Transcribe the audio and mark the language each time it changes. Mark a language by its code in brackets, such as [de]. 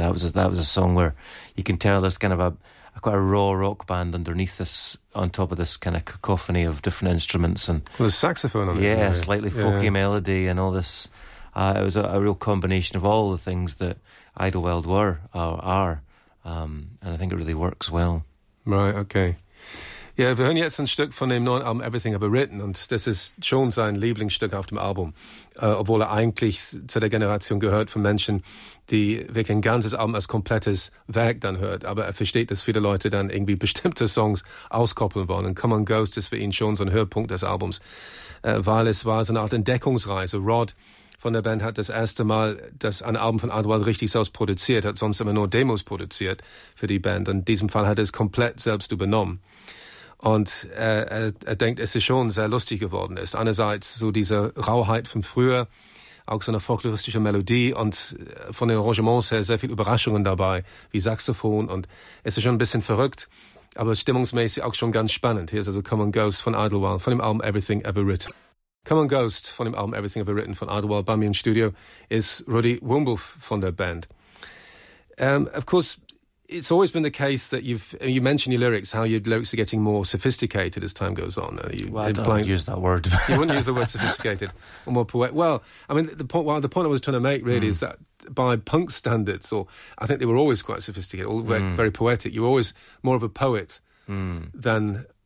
[en] That was a song where you can tell there's kind of a quite a raw rock band underneath this, on top of this kind of cacophony of different instruments. And well, there's saxophone on it. Yeah, slightly folky melody and all this. It was a real combination of all the things that Idlewild were, or are. And I think it really works well. Right, okay. [de] Ja, wir hören jetzt ein Stück von dem neuen Album Everything I've Written, und das ist schon sein Lieblingsstück auf dem Album, obwohl er eigentlich zu der Generation gehört von Menschen, die wirklich ein ganzes Album als komplettes Werk dann hört. Aber er versteht, dass viele Leute dann irgendwie bestimmte Songs auskoppeln wollen. Und Come On Ghost ist für ihn schon so ein Höhepunkt des Albums, weil es war so eine Art Entdeckungsreise. Rod von der Band hat das erste Mal das ein Album von Idlewild richtig selbst produziert, hat sonst immer nur Demos produziert für die Band. Und in diesem Fall hat er es komplett selbst übernommen. Und er denkt, es ist schon sehr lustig geworden. Es ist einerseits so diese Rauheit von früher, auch so eine folkloristische Melodie und von den Arrangements her sehr viele Überraschungen dabei, wie Saxophon. Und es ist schon ein bisschen verrückt, aber stimmungsmäßig auch schon ganz spannend. Hier ist also Come On Ghost von Idlewild, von dem Album Everything Ever Written. Come On Ghost von dem Album Everything I've Ever Written von Idlewild. Bei mir im Studio ist Rudy Wumbulf von der Band. [en] Of course, it's always been the case that you mentioned your lyrics, how your lyrics are getting more sophisticated as time goes on. I wouldn't use that word. You wouldn't use the word sophisticated or more poetic. Well, I mean, the point I was trying to make really is that by punk standards, or I think they were always quite sophisticated, all very poetic. You were always more of a poet than...